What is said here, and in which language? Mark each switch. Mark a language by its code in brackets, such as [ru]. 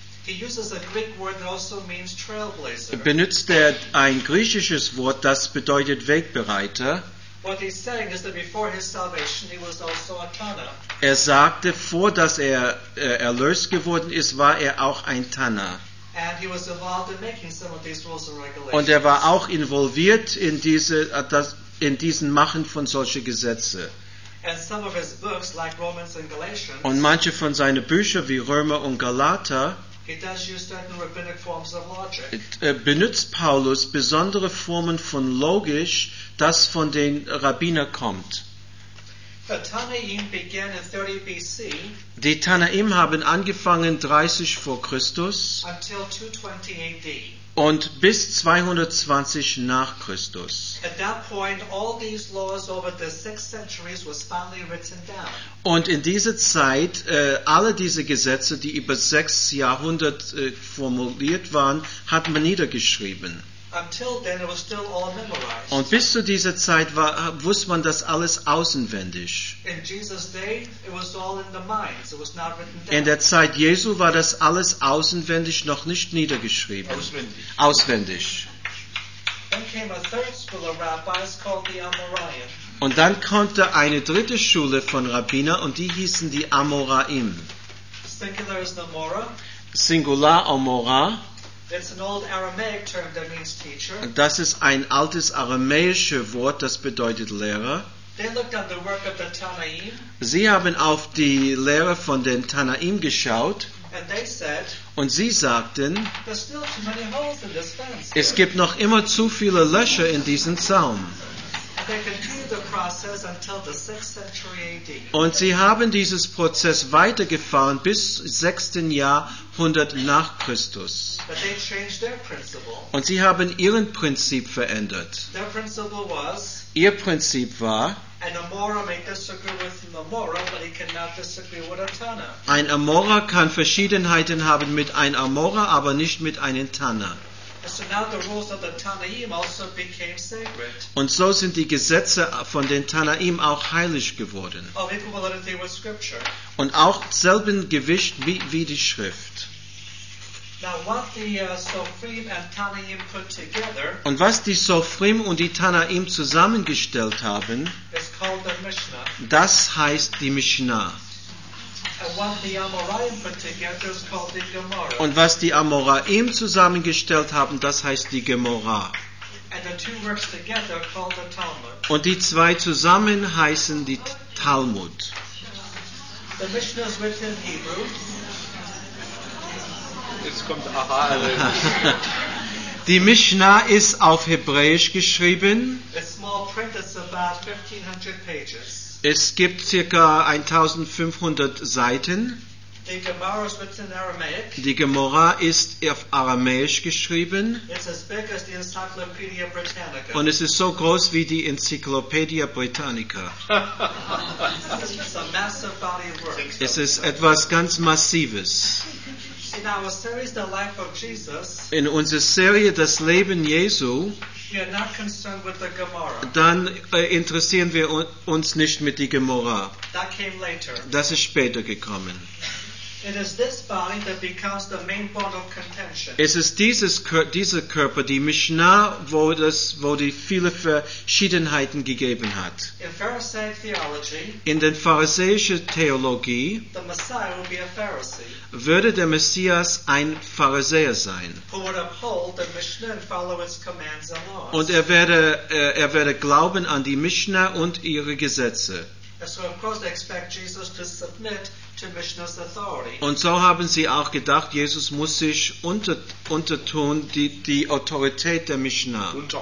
[en] he uses a Greek word that also means trailblazer. [de] Benutzt er ein griechisches Wort, das bedeutet Wegbereiter. [en] What he's saying is that before his salvation he was also a Tana. [de] Er sagte, vor dass er erlöst geworden ist, war er auch ein Tana. [en] And he was involved in making some of these rules and regulations. [de] Und er war auch involviert in diesen Machen von solchen Gesetzen. [en] And some of his books, like Romans and Galatians, [de] und manche von seinen Büchern wie Römer und Galater, [en] he does use certain rabbinic forms of logic. [de] Benutzt Paulus besondere Formen von Logisch, das von den Rabbinern kommt. [en] The Tanaim began in 30 BC. [de] Die Tanaim haben angefangen 30 vor Christus [en] until 220 AD. [de] Und bis 220 nach Christus. [en] At that point, all these laws over the 6 centuries was finally written down. [de] Und in dieser Zeit, alle diese Gesetze, die über 6 Jahrhunderte formuliert waren, hat man niedergeschrieben. [en] Until then, it was still all memorized. [de] Und bis zu dieser Zeit wusste man das alles auswendig. [en] In Jesus' day, it was all in the minds. It was not written down. [de] In der Zeit Jesu war das alles auswendig, noch nicht niedergeschrieben. Auswendig. [en] Then came a third school of rabbis called the Amoraim. [de] Und dann konnte eine dritte Schule von Rabbiner, und die hießen die Amoraim. [en] Singular is Amora. [de] Singular Amora. [en] It's an old Aramaic term that means teacher. [de] Das ist ein altes aramäisches Wort, das bedeutet Lehrer. [en] They looked at the work of the Tanaim. [de] Sie haben auf die Lehre von den Tanaim geschaut. [en] And they said, [de] und sie sagten, [en] there's still too many holes in this fence. [de] Es gibt noch immer zu viele Löcher in diesem Zaun. [en] They continued the process until the 6th century AD. [de] Und sie haben dieses Prozess weitergefahren bis 6. Jahrhundert nach Christus. [en] But they changed their principle. [de] Und sie haben ihren Prinzip verändert. [en] Their principle was, [de] ihr Prinzip war, [en] An Amora may disagree with an Amora, but he cannot disagree with a Tanna. [de] Ein Amora kann Verschiedenheiten haben mit ein Amora, aber nicht mit einem Tanna. [en] So now the rules of the Tanaim also became sacred. [de] Und so sind die Gesetze von den Tanaim auch heilig geworden. [en] Of equivalency with scripture. [de] Und auch selben Gewicht wie die Schrift. [en] Now what the Sofrim and Tanaim put together, [de] und was die Sofrim und die Tanaim zusammengestellt haben, [en] is called the Mishnah. [de] Das heißt die Mishnah. [en] And what the Amoraim put together is called the Gemara. [de] Und was die Amoraim zusammengestellt haben, das heißt die Gemara. [en] And the two works together are called the Talmud. [de] Und die zwei zusammen heißen die Talmud. [en] The Mishnah is written in Hebrew. [de] Jetzt kommt Aha. Die Mishnah ist auf Hebräisch geschrieben. [en] A small print is about 1500 pages. [de] Es gibt ca. 1500 Seiten. [en] The Gemara is written in Aramaic. [de] Die Gemara ist auf Aramäisch geschrieben. [en] It's as big as the Encyclopedia Britannica. [de] Und es ist so groß wie die Encyclopedia Britannica. [en] It's a massive body of work. [de] Es ist etwas ganz Massives. [en] In our series, The Life of Jesus, [de] in unserer Serie Das Leben Jesu, [en] we are not concerned with the Gemara. [de] Dann interessieren wir uns nicht mit der Gemara. [en] That came later. [de] Das ist später gekommen. [en] It is this body that becomes the main bone of contention. [de] Es ist dieser Körper, die Mishnah, wo die viele Verschiedenheiten gegeben hat. [en] In Pharisaic theology, [de] in den pharisäischen Theologie, [en] the Messiah will be a Pharisee, [de] würde der Messias ein Pharisäer sein. [en] Who would uphold the Mishnah and follow its commands and laws. [de] Und er werde glauben an die Mishnah und ihre Gesetze. [en] So of course they expect Jesus to submit to Mishnah's authority. [de] Und so haben sie auch gedacht, Jesus muss sich untertun, die Autorität der Mishnah.